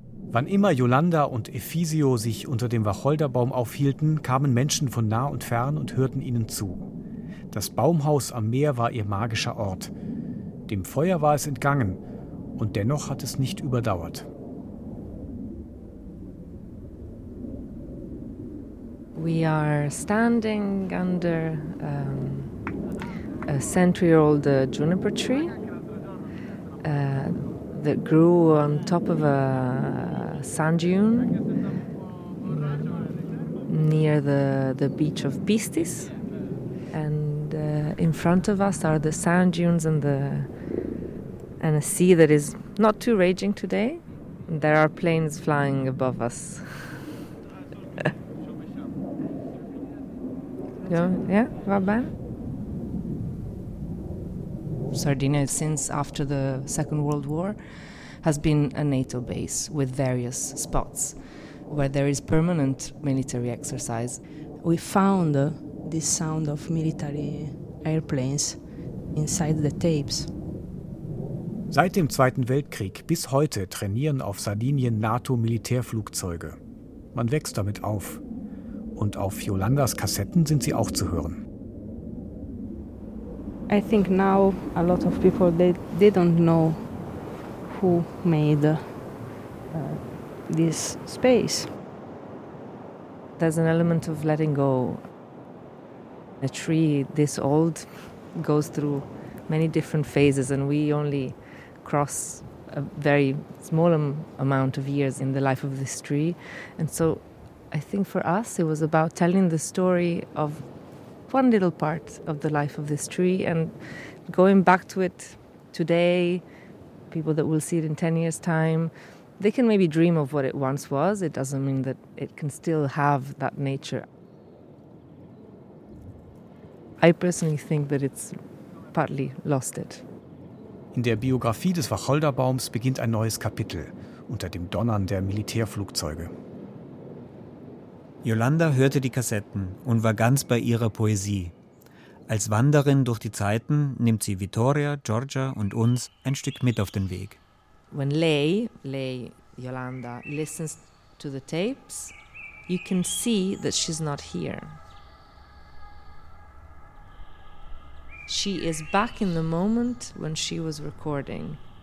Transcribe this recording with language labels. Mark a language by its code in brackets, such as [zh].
[de] Wann immer Yolanda und Efisio sich unter dem Wacholderbaum aufhielten, kamen Menschen von nah und fern und hörten ihnen zu. Das Baumhaus am Meer war ihr magischer Ort. Dem Feuer war es entgangen und dennoch hat es nicht überdauert. [en] We are standing under a century-old juniper tree that grew on top of a sand dune near the beach of Pistis. And in front of us are the sand dunes and a sea that is not too raging today. And there are planes flying above us. [it] Yeah, va bene. [en] Sardinia, since after the Second World War, has been a NATO base with various spots where there is permanent military exercise. We found the sound of military airplanes inside the tapes. [de] Seit dem Zweiten Weltkrieg bis heute trainieren auf Sardinien NATO-Militärflugzeuge. Man wächst damit auf. Und auf Yolandas Kassetten sind sie auch zu hören. [en] I think now a lot of people, they don't know who made this space. There's an element of letting go. A tree this old goes through many different phases and we only cross a very small amount of years in the life of this tree. And so I think for us it was about telling the story of one little part of the life of this tree and going back to it today, people that will see it in 10 years' time, They can maybe dream of what it once was. It doesn't mean that it can still have that nature. I personally think that it's partly lost it. [de] In der Biografie des Wacholderbaums beginnt ein neues Kapitel unter dem Donnern der Militärflugzeuge. Yolanda hörte die Kassetten und war ganz bei ihrer Poesie. Als Wanderin durch die Zeiten nimmt sie Vittoria, Giorgia und uns ein Stück mit auf den Weg. [en] When Lei, Yolanda, listens to the tapes, you can see that she's not here. She is back in the moment when she was recording.